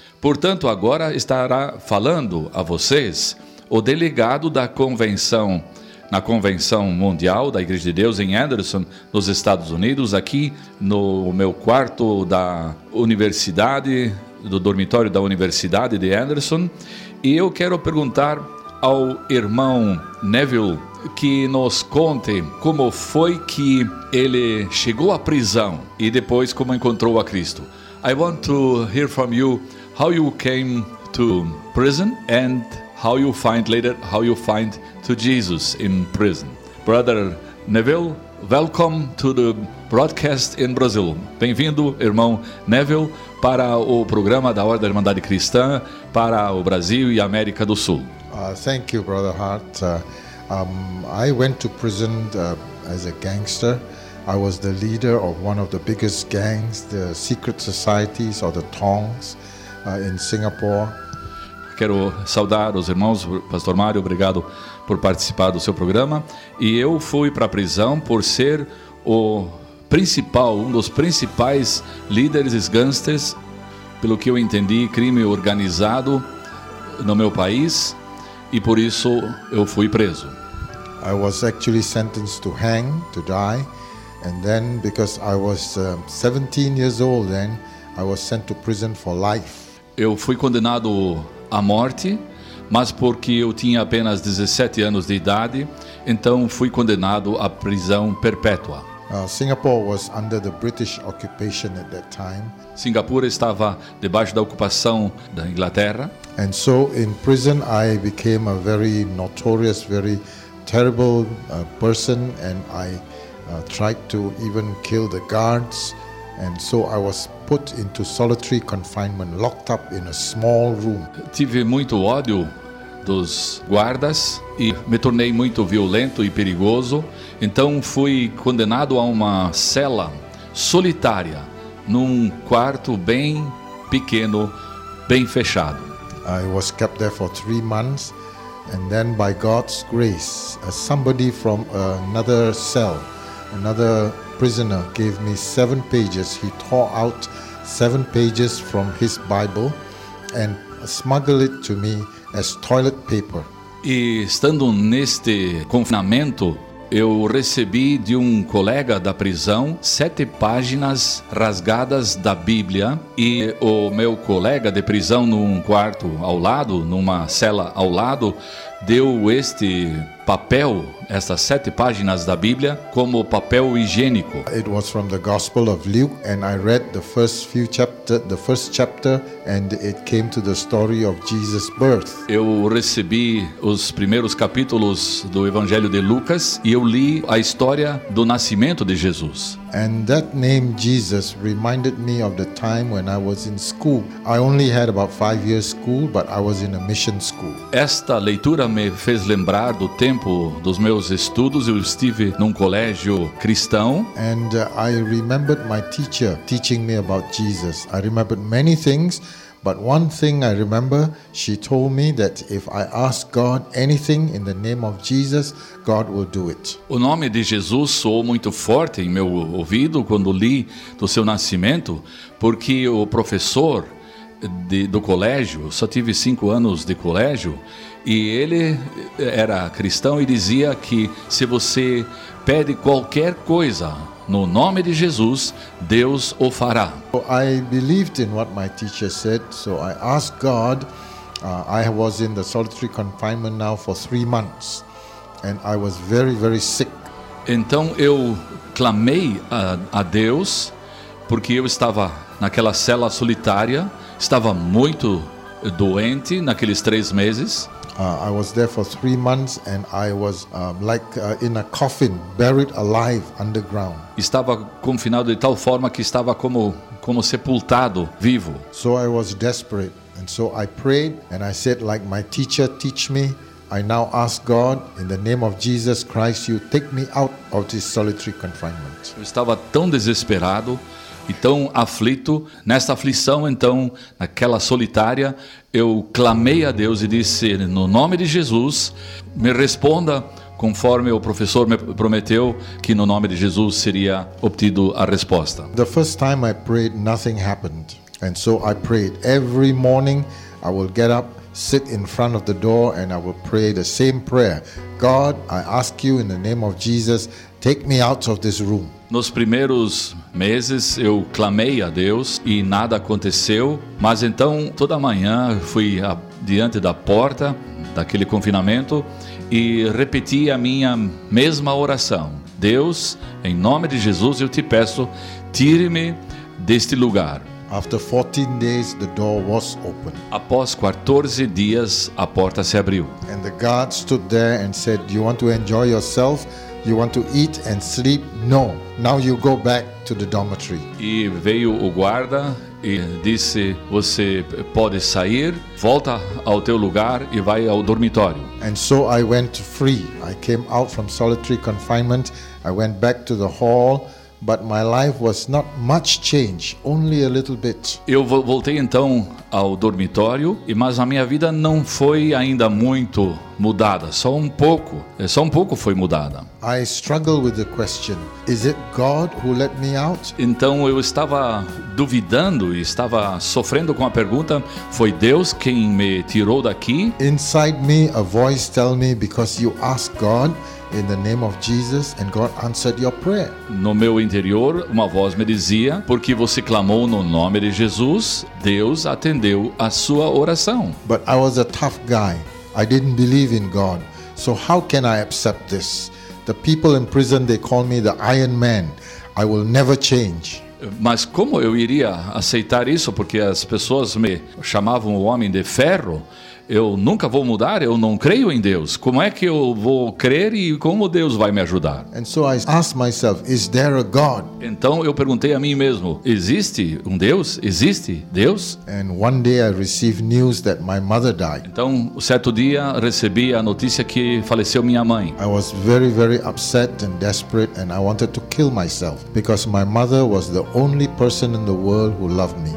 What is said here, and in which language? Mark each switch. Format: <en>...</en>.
<pt>Portanto, agora estará falando a vocês o delegado da convenção, na Convenção Mundial da Igreja de Deus em Anderson, nos Estados Unidos, aqui no meu quarto da universidade, do dormitório da Universidade de Anderson. E eu quero perguntar ao irmão Neville que nos conte como foi que ele chegou à prisão e depois como encontrou a Cristo.</pt> <en>I want to hear from you how you came to prison and how you find later how you find to Jesus in prison. Brother Neville, welcome to the broadcast in Brazil.</en> <pt>Bem-vindo, irmão Neville, para o programa da Hora da Irmandade Cristã para o Brasil e América do Sul.</pt> <en>Thank you, Brother Hart. I went to prison as a gangster. I was the leader of one of the biggest gangs, the secret societies or the Tongs, in Singapore.</en> <pt>Quero saudar os irmãos, Pastor Mário, obrigado por participar do seu programa. E eu fui para a prisão por ser o principal, um dos principais líderes gangsters, pelo que eu entendi, crime organizado no meu país, e por isso eu fui preso.</pt> <en>I was actually sentenced to hang, to die, and then because I was 17 years old then, I was sent to prison for life.</en> <pt>Eu fui condenado à morte, mas porque eu tinha apenas 17 anos de idade, então fui condenado à prisão perpétua.</pt> <en>Singapore was under the British occupation at that time.</en> <pt>Singapura estava debaixo da ocupação da Inglaterra.</pt> <en>And so in prison I became a very notorious, very terrible person, and I tried to even kill the guards, and so I was put into solitary confinement, locked up in a small room.</en> <pt>Tive muito ódio dos guardas e me tornei muito violento e perigoso, então fui condenado a uma cela solitária num quarto bem pequeno, bem fechado.</pt> <en>I was kept there for 3 months, and then by God's grace, somebody from another cell, another prisoner, gave me 7 pages. He tore out 7 pages from his Bible and smuggled it to me as toilet paper.</en> <pt>E estando neste confinamento, eu recebi de um colega da prisão 7 páginas rasgadas da Bíblia, e o meu colega de prisão num quarto ao lado, numa cela ao lado, deu este papel, estas 7 páginas da Bíblia, como papel higiênico.</pt> <en>It was from the Gospel of Luke, and I read the first chapter, and it came to the story of Jesus' birth.</en> <pt>Eu recebi os primeiros capítulos do Evangelho de Lucas e eu li a história do nascimento de Jesus.</pt> <en>And that name Jesus reminded me of the time when I was in school. I only had about 5 years school, but I was in a mission school.</en> <pt>Esta leitura me fez lembrar do tempo dos meus estudos. Eu estive num colégio cristão.</pt> <en>And I remembered my teacher teaching me about Jesus. I remembered many things, but one thing I remember, she told me that if I ask God anything in the name of Jesus, God will do it.</en> <pt>O nome de Jesus soou muito forte em meu ouvido quando li do seu nascimento, porque o professor do colégio, só tive 5 anos de colégio, e ele era cristão e dizia que se você pede qualquer coisa no nome de Jesus, Deus o fará.</pt> <en>So I believed in what my teacher said, so I asked God. I was in the solitary confinement now for 3 months, and I was very, very sick.</en> <pt>Então eu clamei a Deus, porque eu estava naquela cela solitária, estava muito doente naqueles 3 meses.</pt> <en>I was there for 3 months and I was in a coffin, buried alive underground.</en> <pt>Estava confinado de tal forma que estava como sepultado vivo.</pt> <en>So I was desperate, and so I prayed and I said, like my teacher teach me, I now ask God in the name of Jesus Christ, you take me out of this solitary confinement.</en> <pt>Eu estava tão desesperado, e tão aflito, nessa aflição, então, naquela solitária, eu clamei a Deus e disse, no nome de Jesus, me responda, conforme o professor me prometeu, que no nome de Jesus seria obtido a resposta.</pt> <en>The first time I prayed, nothing happened. And so I prayed every morning, I will get up, sit in front of the door and I will pray the same prayer. God, I ask you in the name of Jesus, take me out of this room.</en> <pt>Nos primeiros meses eu clamei a Deus e nada aconteceu, mas então toda manhã fui diante da porta daquele confinamento e repeti a minha mesma oração. Deus, em nome de Jesus eu te peço, tire-me deste lugar.</pt> <en>After 14 days, the door was open.</en> <pt>Após 14 dias, a porta se abriu.</pt> <en>And the guard stood there and said, "You want to enjoy yourself? You want to eat and sleep? No. Now you go back to the dormitory."</en> <pt>E veio o guarda e disse, "Você pode sair, volta ao teu lugar e vai ao dormitório."</pt> <en>And so I went free. I came out from solitary confinement. I went back to the hall. But my life was not much changed, only a little bit.</en> <pt>Eu voltei então ao dormitório, mas a minha vida não foi ainda muito mudada, só um pouco foi mudada.</pt> <en>I struggle with the question, is it God who let me out?</en> <pt>Então eu estava duvidando e estava sofrendo com a pergunta, foi Deus quem me tirou daqui?</pt> <en>Inside me a voice tell me, because you ask God in the name of Jesus and God answered your prayer.</en> <pt>No meu interior, uma voz me dizia, porque você clamou no nome de Jesus, Deus atendeu a sua oração.</pt> <en>But I was a tough guy. I didn't believe in God. So how can I accept this? The people in prison, they call me the Iron Man. I will never change.</en> <pt>Mas como eu iria aceitar isso, porque as pessoas me chamavam o homem de ferro? Eu nunca vou mudar, eu não creio em Deus. Como é que eu vou crer e como Deus vai me ajudar?</pt> <en>And so I asked myself, is there a God?</en> <pt>Então eu perguntei a mim mesmo, existe um Deus? Existe Deus?</pt> <en>And one day I received news that my mother died.</en> <pt>Então, certo dia, recebi a notícia que faleceu minha mãe.</pt> <en>I was very, very upset and desperate and I wanted to kill myself because my mother was the only person in the world who loved me.</en>